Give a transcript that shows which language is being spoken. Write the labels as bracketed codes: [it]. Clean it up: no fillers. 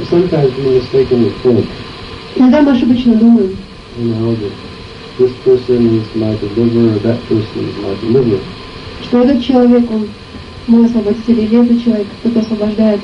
[ru] Иногда мы ошибочно думаем. [en] This person is my deliverer, that person is my deliverer. [ru] Что этот человек, он мой освободитель, или этот человек, кто-то освобождает